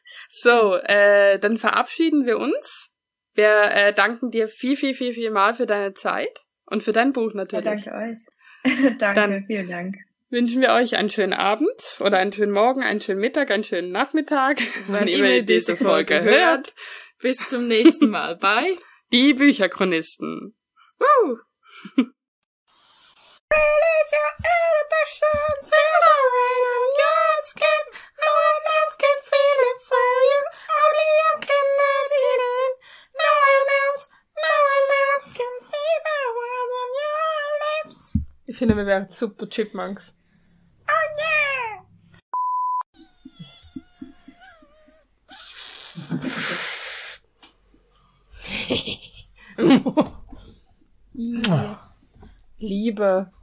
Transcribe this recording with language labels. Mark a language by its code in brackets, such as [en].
[de] So, dann verabschieden wir uns. Wir danken dir viel, viel, viel, viel mal für deine Zeit und für dein Buch natürlich. Ja, danke euch. Danke, dann vielen Dank. Wünschen wir euch einen schönen Abend oder einen schönen Morgen, einen schönen Mittag, einen schönen Nachmittag, wenn ihr mir diese Folge hört. Bis zum nächsten Mal. Bye. Die Bücherchronisten. [en] Release your inhibitions, feel the rain on your skin. No one else can feel it for you. Only you can let it in. No one else can see the world on your lips. [de] Ich finde, wir wären super Chipmunks. Oh yeah! Liebe.